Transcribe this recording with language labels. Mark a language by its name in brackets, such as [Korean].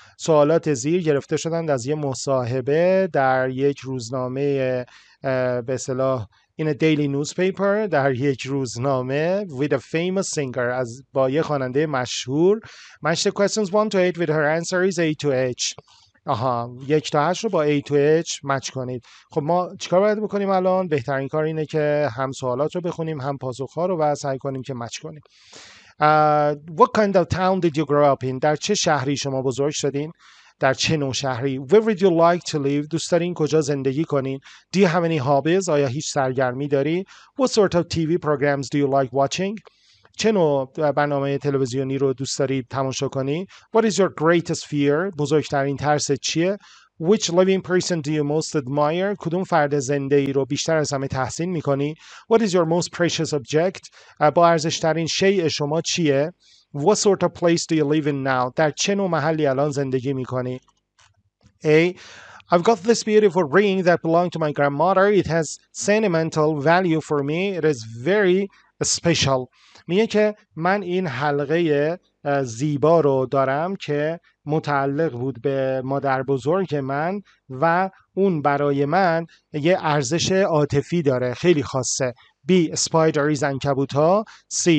[Persian] سوالات زیر گرفته شدند از یه مصاحبه در یک روزنامه به اصطلاح [English] in a daily newspaper [Persian] در یک روزنامه [English] with a famous singer [Persian] از با یه خواننده مشهور. [English] Match the questions 1 to 8 with her answer is A to H. [Persian] آها 1 تا 8 رو با A to H مچ کنید. خب ما چیکار باید بکنیم الان؟ بهترین کار اینه که هم سوالات رو بخونیم هم پاسخ ها رو و سعی کنیم که مچ کنیم. [English] What kind of town did you grow up in? [Persian] در چه شهری شما بزرگ شدین؟ در چه نوع شهری؟ [English] Where would you like to live? [Persian] دوست دارین کجا زندگی کنین؟ [English] Do you have any hobbies? [Persian] آیا هیچ سرگرمی داری؟ [English] What sort of TV programs do you like watching? [Persian] چه نوع برنامه تلویزیونی رو دوست داری تماشا کنی؟ [English] What is your greatest fear? [Persian] بزرگترین ترس چیه؟ [English] Which living person do you most admire? [Persian] کدوم فرد زنده ای رو بیشتر از همه تحسین می‌کنی؟ [English] What is your most precious object? [Persian] با ارزش‌ترین شیء شما چیه؟ [English] What sort of place do you live in now? [Persian] در چه نوع محلی الان زندگی میکنی؟ A. [English] I've got this beautiful ring that belonged to my grandmother. It has sentimental value for me. It is very special. [Persian] میگه که من این حلقه زیبا رو دارم که متعلق بود به مادر بزرگ من و اون برای من یه ارزش عاطفی داره. خیلی خاصه. B. [English] Spiders and [Persian] کبوتا. C.